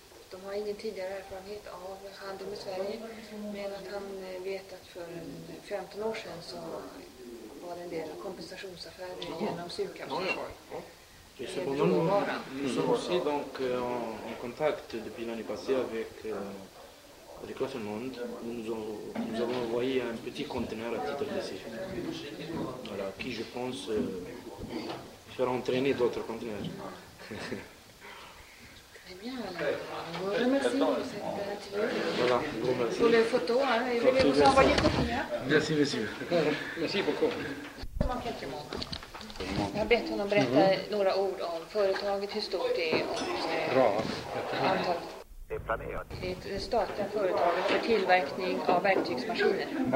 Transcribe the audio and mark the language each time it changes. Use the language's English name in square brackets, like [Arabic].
[Swedish] De har ingen tidigare erfarenhet av handel med Sverige, men att han vet att för 15 år sedan så var det en del kompensationsaffärer genom Sukab. [French] Et cependant, nous sommes aussi donc, en contact depuis l'année passée avec la Finlande. Nous avons envoyé un petit conteneur à titre d'essai. Voilà, qui, je pense, fera entraîner d'autres conteneurs. Très bien, alors. Merci pour cette interview. Voilà, bon, merci. Pour les photos, hein, et vous voulez vous envoyer conteneur. Merci, monsieur. Merci beaucoup. [Swedish] Jag har bett honom berätta några ord om företaget, hur stort det är och antal. Det är ett statliga företag för tillverkning av verktygsmaskiner.